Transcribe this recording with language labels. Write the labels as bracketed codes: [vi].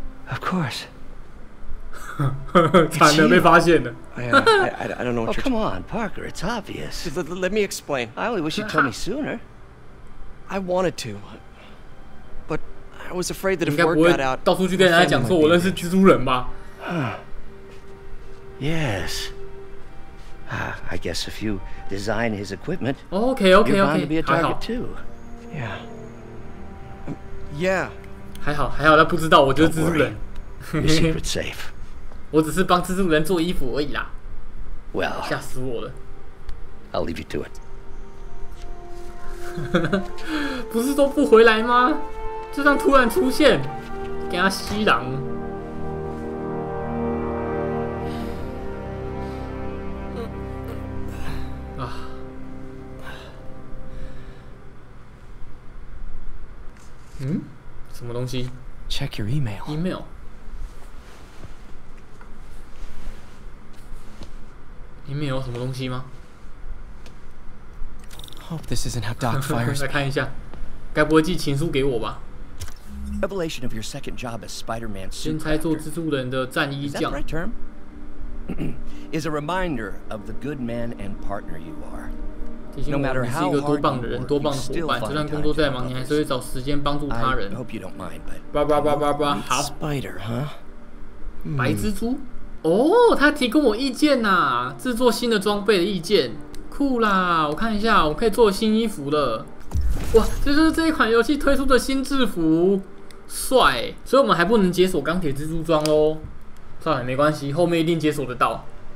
[en] Of course. [zh] 惨了，被发现了。 [en] I don't know what you're. Oh, come on, Parker. It's obvious. Let me explain. I only wish you'd tell me sooner. I wanted to, but I was afraid that if word got out, [zh] 到处去跟人家讲说我认识蜘蛛人吧。 [en] Yes. I guess if you design his equipment, okay. You're bound to be a target too. Yeah. Yeah. [zh] 还好，他不知道我就是蜘蛛人。 [en] Your secret's safe. [zh] 我只是帮蜘蛛人做衣服而已啦。 [en] Well. [zh] 吓死我了。 [en] I'll leave you to it. [zh] 不是说不回来吗？就这样突然出现，给他吸狼。啊！什么东西 [en] ？Check your email. Email. [zh] Email 有什么东西吗？ [en] Hope this isn't how Doc fires. [zh] 来看一下，该不会寄情书给我吧 [en] ？Revelation of your second job as Spider-Man. [zh] 先猜做蜘蛛人的战衣匠。 [en] Is that the right term? Is a reminder of the good man and partner you are. No matter how hard you work, you still find time to help others. [zh] 你还是会找时间帮助他人。 [en] I hope you don't mind, but. 叭叭叭叭叭。 Spider, huh? [zh] 白蜘蛛？哦，他提供我意见呐，制作新的装备的意见。酷啦！我看一下，我可以做新衣服了。哇，这就是这一款游戏推出的新制服，帅！所以我们还不能解锁钢铁蜘蛛装喽。算了，没关系，后面一定解锁得到。